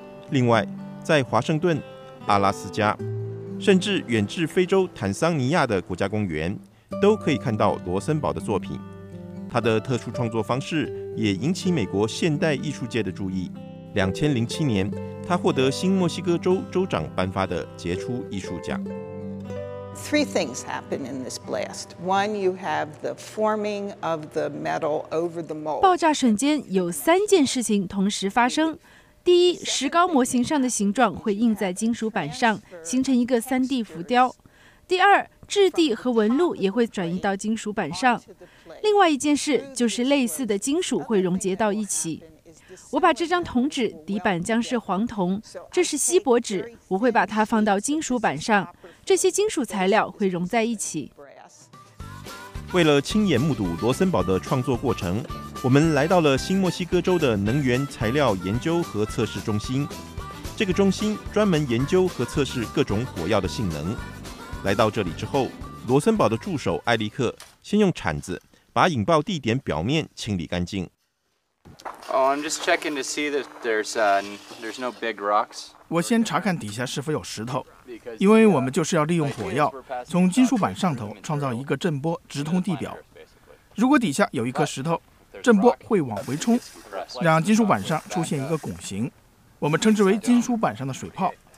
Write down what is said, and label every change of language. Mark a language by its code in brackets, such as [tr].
[zh] 另外，在华盛顿、阿拉斯加，甚至远至非洲坦桑尼亚的国家公园，都可以看到罗森堡的作品。他的特殊创作方式也引起美国现代艺术界的注意。 2007年，他获得新墨西哥州州长颁发的杰出艺术奖。 [en] Three things happen in this blast. One, you have the forming of the metal over the mold. [zh] 爆炸瞬间有三件事情同时发生。第一，石膏模型上的形状会印在金属板上，形成一个 3D 浮雕。第二，质地和纹路也会转移到金属板上。另外一件事就是类似的金属会溶解到一起。我把这张铜纸底板将是黄铜，这是锡箔纸，我会把它放到金属板上，这些金属材料会融在一起。为了亲眼目睹罗森堡的创作过程，我们来到了新墨西哥州的能源材料研究和测试中心。这个中心专门研究和测试各种火药的性能。来到这里之后，罗森堡的助手艾利克先用铲子把引爆地点表面清理干净。 [en] Oh, I'm just checking to see that there's no big rocks. [zh] 我先查看底下是否有石头，因为我们就是要利用火药从金属板上头创造一个震波直通地表。如果底下有一颗石头，震波会往回冲，让金属板上出现一个拱形，我们称之为金属板上的水泡。